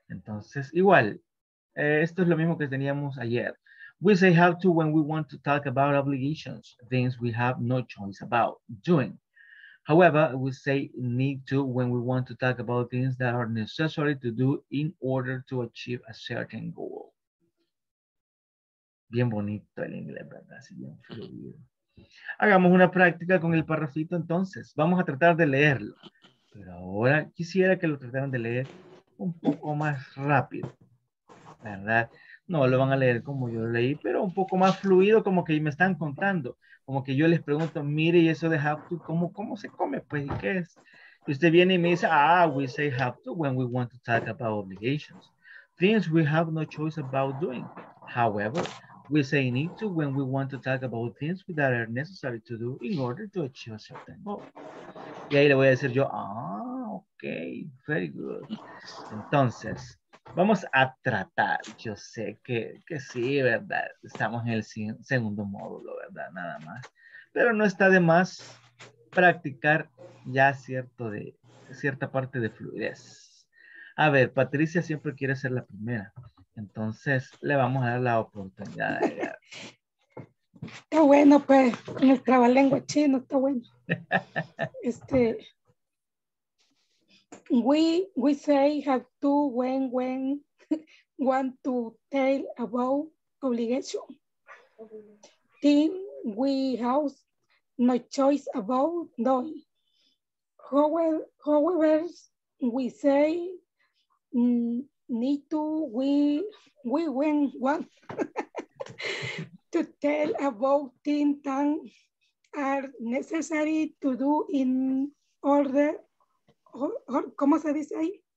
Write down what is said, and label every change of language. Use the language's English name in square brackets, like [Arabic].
[Spanish] Entonces, igual, esto es lo mismo que teníamos ayer. [English] We say have to when we want to talk about obligations, things we have no choice about doing. However, we say need to when we want to talk about things that are necessary to do in order to achieve a certain goal. [Spanish] Bien bonito el inglés, ¿verdad? Así bien fluido. Hagamos una práctica con el párrafito entonces. Vamos a tratar de leerlo. Pero ahora quisiera que lo trataran de leer un poco más rápido, ¿verdad? No lo van a leer como yo lo leí, pero un poco más fluido, como que me están contando. Como que yo les pregunto, mire, y eso de have to, ¿cómo se come? Pues, ¿y qué es? Y usted viene y me dice, ah, [English] we say have to when we want to talk about obligations. Things we have no choice about doing. However, we say need to when we want to talk about things that are necessary to do in order to achieve a certain goal. [Spanish] Y ahí le voy a decir yo, ah, ok, [English] very good. [Spanish] Entonces, vamos a tratar. Yo sé que sí, ¿verdad? Estamos en el segundo módulo, ¿verdad? Nada más. Pero no está de más practicar ya cierta parte de fluidez. A ver, Patricia siempre quiere ser la primera. Entonces, le vamos a dar la oportunidad. Está bueno, pues, con el trabalengua chino, está bueno. [English] We say have to when want to tell about obligation. Team we have no choice about doing. however we say need to we win one to tell about things that are necessary to do in order or [Spanish] ¿cómo se dice ahí?